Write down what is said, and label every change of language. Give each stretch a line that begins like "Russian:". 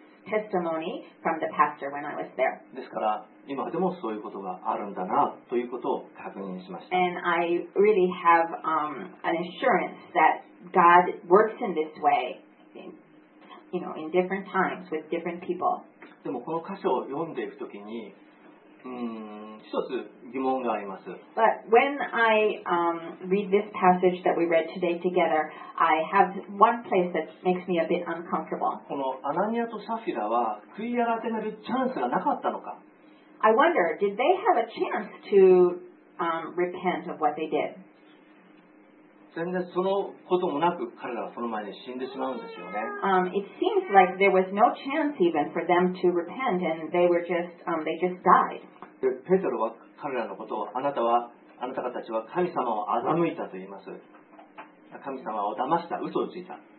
English: testimony from the pastor when I was there.
Japanese: ですから今でもそういうことがあるんだなということを確認しました。
English: And I really have an assurance that God works in this way, you know, in different times with different people.
Japanese: でもこの箇所を読んでいくときに、一つ疑問があります。
English: But when I read this passage that we read today together, I have one place that makes me a bit uncomfortable.
Japanese: このアナニアとサフィラは悔い改めるチャンスがなかったのか。
English: I wonder, did they have a chance to repent of what they did?
Japanese: 全然そのこともなく彼らはその前に死んでしまうんですよね。
English: It seems like there was no chance even for them to repent and they were just, they just died.
Japanese: で、ペテロは彼らのことを、あなたたちは神様を欺いたと言います。神様を騙した、嘘をついた。